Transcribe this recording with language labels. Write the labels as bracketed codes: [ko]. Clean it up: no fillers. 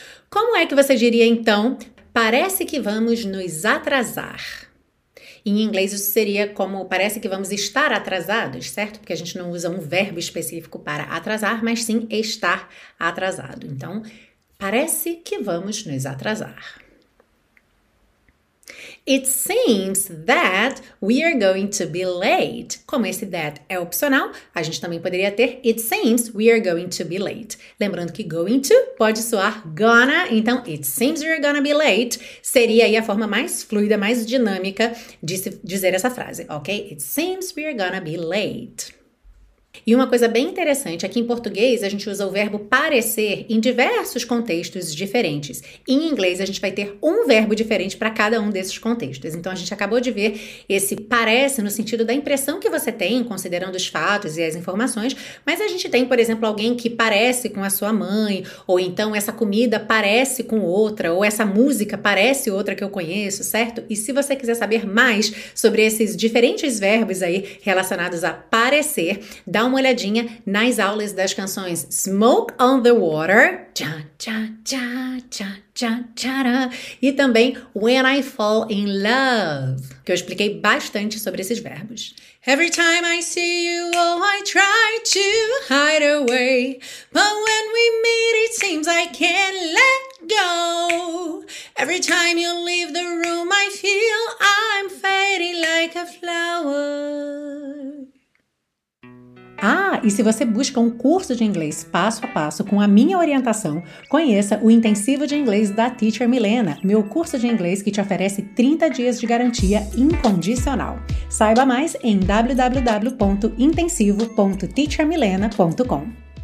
[pt] Como é que você diria, então, parece que vamos nos atrasar? Em inglês, isso seria como parece que vamos estar atrasados, certo? Porque a gente não usa um verbo específico para atrasar, mas sim estar atrasado. Então, parece que vamos nos atrasar. [en] It seems that we are going to be late. [pt] Como esse that é opcional, a gente também poderia ter [en] it seems we are going to be late. [pt] Lembrando que going to pode soar gonna, então [en] it seems we are gonna be late [pt] seria aí a forma mais fluida, mais dinâmica de dizer essa frase, ok? [en] It seems we are gonna be late. [pt] E uma coisa bem interessante é que em português a gente usa o verbo parecer em diversos contextos diferentes. Em inglês a gente vai ter um verbo diferente para cada um desses contextos. Então a gente acabou de ver esse parece no sentido da impressão que você tem, considerando os fatos e as informações. Mas a gente tem, por exemplo, alguém que parece com a sua mãe, ou então essa comida parece com outra, ou essa música parece outra que eu conheço, certo? E se você quiser saber mais sobre esses diferentes verbos aí relacionados a parecer, dá uma olhadinha nas aulas das canções Smoke on the Water tcha, tcha, tcha, tcha, tcha, tcha, tcha, e também When I Fall in Love, que eu expliquei bastante sobre esses verbos. [en] Every time I see you, oh, I try to hide away. But when we meet, it seems I can't let go. Every time you leave the room, I feel I'm fading like a flower. [pt] Ah, e se você busca um curso de inglês passo a passo com a minha orientação, conheça o Intensivo de Inglês da Teacher Milena, meu curso de inglês que te oferece 30 dias de garantia incondicional. Saiba mais em www.intensivo.teachermilena.com.